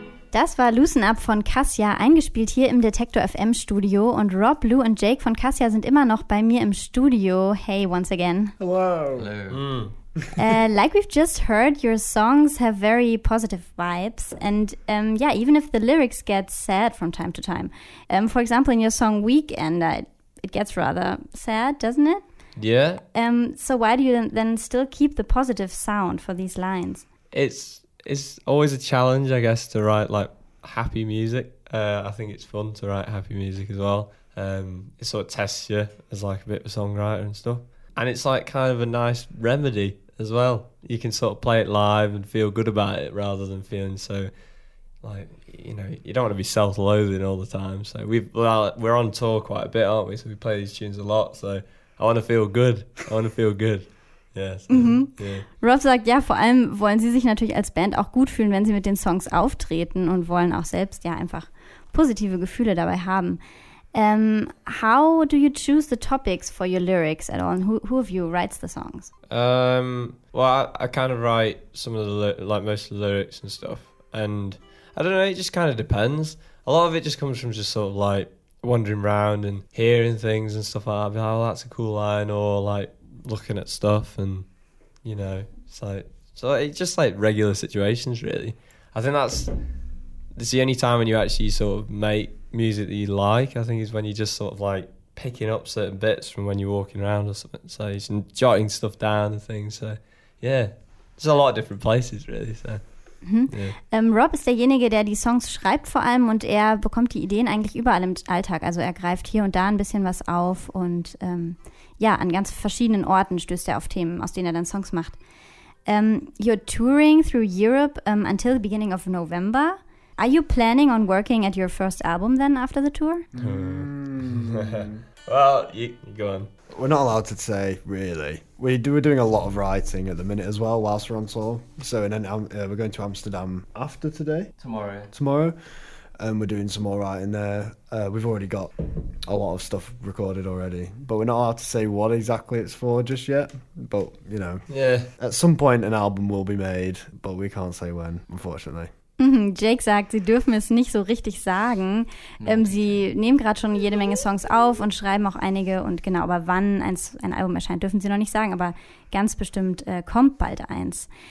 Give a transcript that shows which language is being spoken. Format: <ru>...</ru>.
<de>Das war Loosen Up von Kasia, eingespielt hier im Detektor FM Studio. Und Rob, Lou und Jake von Kasia sind immer noch bei mir im Studio.</de> <en>Hey, once again. Hello. Hello. Like we've just heard, your songs have very positive vibes. And yeah, even if the lyrics get sad from time to time. For example, in your song Weekend, it gets rather sad, doesn't it? Yeah. So why do you then still keep the positive sound for these lines? It's always a challenge, I guess, to write like happy music. I think it's fun to write happy music as well. It sort of tests you as like a bit of a songwriter and stuff. And it's like kind of a nice remedy as well. You can sort of play it live and feel good about it rather than feeling so, like, you know, you don't want to be self-loathing all the time. So we're on tour quite a bit, aren't we? So we play these tunes a lot. So I want to feel good. I want to feel good. Yeah, so, mm-hmm. Yeah.</en> <de>Rob sagt, ja, vor allem wollen sie sich natürlich als Band auch gut fühlen, wenn sie mit den Songs auftreten und wollen auch selbst ja einfach positive Gefühle dabei haben.</de> <en>How do you choose the topics for your lyrics at all? And who of you writes the songs? Well, I kind of write some of the most of the lyrics and stuff. And I don't know, it just kind of depends. A lot of it just comes from just sort of like wandering around and hearing things and stuff like that. Oh, that's a cool line, or like looking at stuff, and you know, it's like, so it's just like regular situations, really. I think that's the only time when you actually sort of make music that you like, I think, is when you're just sort of like picking up certain bits from when you're walking around or something, so you're just jotting stuff down and things. So yeah, there's a lot of different places, really. So</en> <de>Rob ist derjenige, der die Songs schreibt vor allem, und er bekommt die Ideen eigentlich überall im Alltag. Also er greift hier und da ein bisschen was auf und ja, an ganz verschiedenen Orten stößt er auf Themen, aus denen er dann Songs macht.</de> <en>You're touring through Europe until the beginning of November. Are you planning on working at your first album then after the tour? Well, you go on. We're not allowed to say, really. We're doing a lot of writing at the minute as well whilst we're on tour. So we're going to Amsterdam after today. Tomorrow. And we're doing some more writing there. We've already got a lot of stuff recorded already. But we're not allowed to say what exactly it's for just yet. But, you know. Yeah. At some point an album will be made, but we can't say when, unfortunately.</en> <de>Jake sagt, sie dürfen es nicht so richtig sagen. Sie nehmen gerade schon jede Menge Songs auf und schreiben auch einige. Und genau, aber wann ein Album erscheint, dürfen sie noch nicht sagen. Aber ganz bestimmt kommt bald eins.</de>